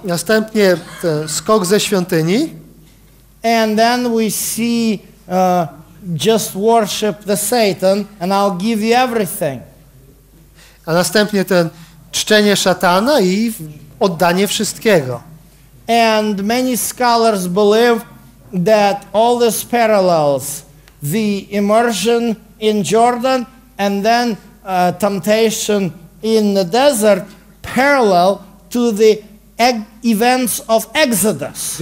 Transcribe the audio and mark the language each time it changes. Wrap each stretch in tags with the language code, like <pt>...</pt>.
<pl>Następnie skok ze świątyni.</pl> <en>And then we see just worship the Satan and I'll give you everything.</en> <pl>A następnie ten czczenie szatana i oddanie wszystkiego.</pl> <en>And many scholars believe that all these parallels, the immersion in Jordan and then temptation in the desert, parallel to the events of Exodus.</en>